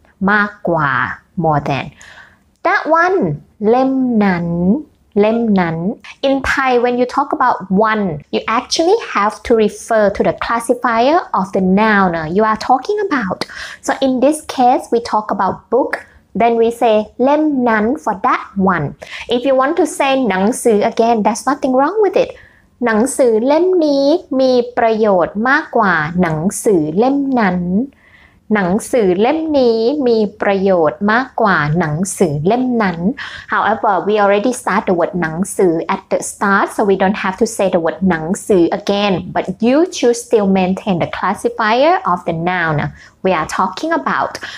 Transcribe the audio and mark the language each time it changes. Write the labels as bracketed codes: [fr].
[en] มากกว่า more than that one เล่มนั้นเล่มนั้น in Thai when you talk about one you actually have to refer to the classifier of the noun you are talking about so in this case we talk about book Then we say lem nan for that one. If you want to say หนังสือ again, there's nothing wrong with it. [th] หนังสือเล่มนี้มีประโยชน์มากกว่าหนังสือเล่มนั้น [en] หนังสือเล่มนี้มีประโยชน์มากกว่าหนังสือเล่มนั้น However, we already start the word หนังสือ at the start, so we don't have to say the word หนังสือ again. But you should still maintain the classifier of the noun we are talking about.